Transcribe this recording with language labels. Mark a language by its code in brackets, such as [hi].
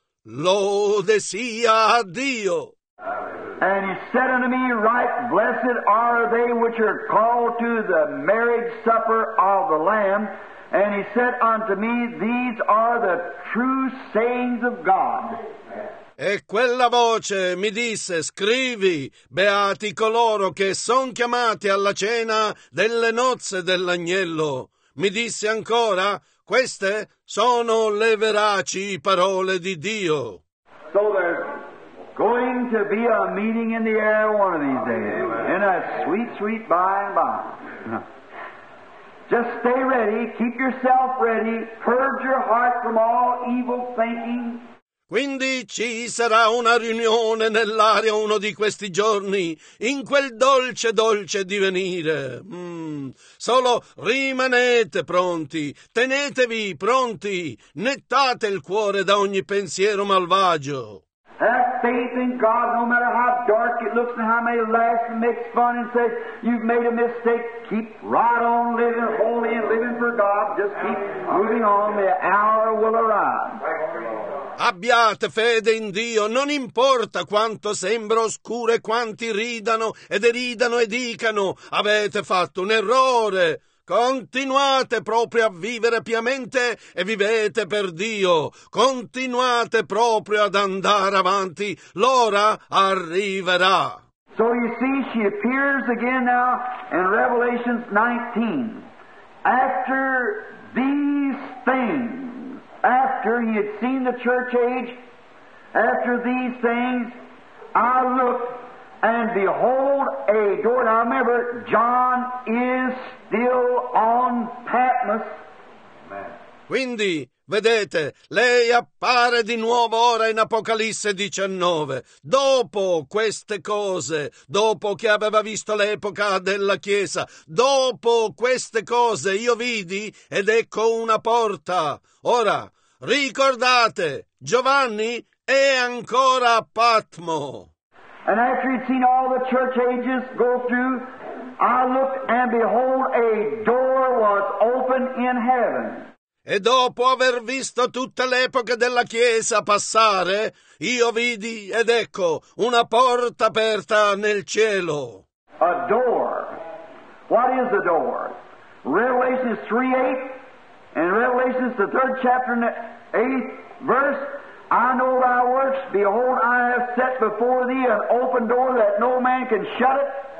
[it] Lode sia a Dio. [en] And he said unto me, Right, blessed are they which are called to the marriage supper of the Lamb. And he said unto me, These are the true sayings of God. [it] E quella voce mi disse, Scrivi, beati coloro che son chiamati alla cena delle nozze dell'agnello. Mi disse ancora, Queste sono le veraci parole di Dio. [en] So there's going to be a meeting in the air one of these days. In a sweet, sweet by and by. Just stay ready. Keep yourself ready. Purge your heart from all evil thinking. [it] Quindi ci sarà una riunione nell'aria uno di questi giorni, in quel dolce, dolce divenire. Solo rimanete pronti, tenetevi pronti, nettate il cuore da ogni pensiero malvagio. [en] Have faith in God, no matter how dark it looks and how many laughs and makes fun and says, you've made a mistake, keep right on living holy and living for God. Just keep moving on, the hour will arrive. [it] Abbiate fede in Dio, non importa quanto sembra oscuro e quanti ridano e deridano e dicano, avete fatto un errore. Continuate proprio a vivere piamente e vivete per Dio. Continuate proprio ad andare avanti. L'ora arriverà. [en] So you see, she appears again now in Revelation 19. After these things, after he had seen the church age, after these things, I looked and behold a door. Now remember, John is still on Patmos. [it] Quindi, vedete, lei appare di nuovo ora in Apocalisse 19. Dopo queste cose, dopo che aveva visto l'epoca della Chiesa, dopo queste cose io vidi ed ecco una porta. Ora, ricordate, Giovanni è ancora a Patmo. [en] And after he'd seen all the church ages go through, I looked and behold a door was open in heaven. [it] E dopo aver visto tutte le epoche della Chiesa passare, io vidi, ed ecco, una porta aperta nel cielo. [en] A door. What is a door? Revelation 3:8 and Revelation the third chapter and the 8th verse. I know thy works. Behold, I have set before thee an open door that no man can shut it.